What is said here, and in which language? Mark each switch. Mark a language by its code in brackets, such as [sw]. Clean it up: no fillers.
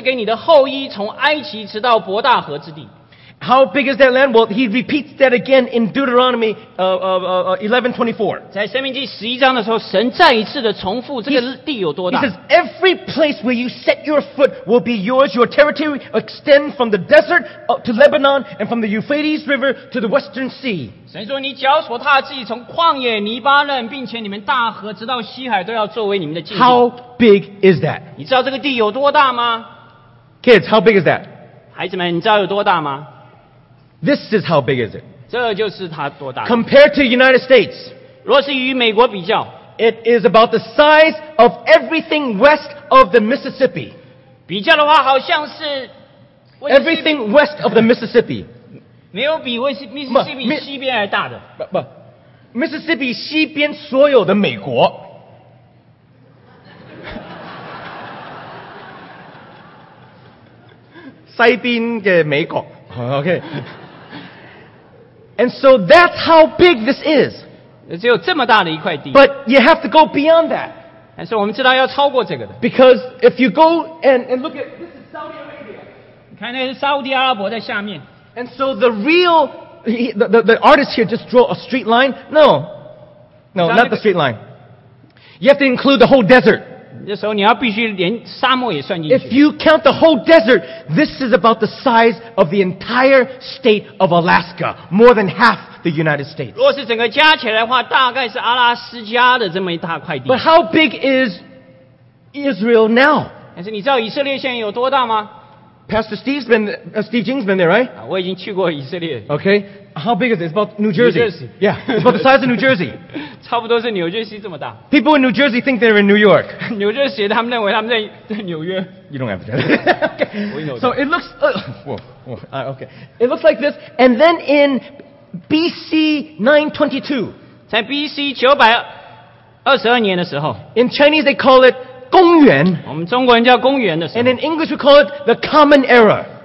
[zh] 那日神与亚伯拉罕立约，说我赐给你的后裔从埃及直到伯大河之地。 [en] How big is that land? Well, he repeats that again in Deuteronomy 11:24. [zh] 在申命记11章的时候，神再一次的重复这个地有多大。 [en] He says, every place where you set your foot will be yours. Your territory extend from the desert to Lebanon and from the Euphrates River to the Western Sea. [zh] 神说，你脚所踏之地，从旷野、尼巴嫩，并且你们大河直到西海，都要作为你们的界限。 [en] How big is that? [zh] 你知道这个地有多大吗？ [en] Kids, how big is that? [zh] 孩子们，你知道有多大吗？ [en] This is how big is it? [zh] 这就是它多大。 [en] Compared to United States, [zh] 若是与美国比较, [en] it is about the size of everything west of the Mississippi. [zh] 比较的话，好像是 [en] everything west of the Mississippi. [zh] 没有比Mississippi西边还大的。 Mississippi西边所有的美国。西边的美国。 [en] Okay. And so that's how big this is. But you have to go beyond that. And so [zh] 我们知道要超过这个的. [en] Because if you go and look at, this is Saudi Arabia. [zh] 你看那是沙特阿拉伯在下面. [en] And so the real, the artist here just draw a straight line. No. No, not the straight line. You have to include the whole desert. [zh] 这时候你要必须连沙漠也算进去。 [en] If you count the whole desert, this is about the size of the entire state of Alaska, more than half the United States. [zh] 若是整个加起来的话, 大概是阿拉斯加的这么一大块地。 [en] But how big is Israel now? [zh] 但是你知道以色列现在有多大吗? [en] Pastor Steve's been, Steve Jing's been there, right? [zh] 我已经去过以色列。 [en] Okay, how big is it? It's about New Jersey. New Jersey. Yeah, it's about the size of New Jersey. [zh] 差不多是纽约西这么大。 [en] People in New Jersey think they're in New York. [zh] 纽约西他们认为他们在纽约。 [en] You don't have to tell that. Okay. So it looks, okay. It looks like this, and then in B.C. 922. [zh] 在 B.C. 922年的时候。 [en] In Chinese, they call it 公元, and in English we call it the Common Era.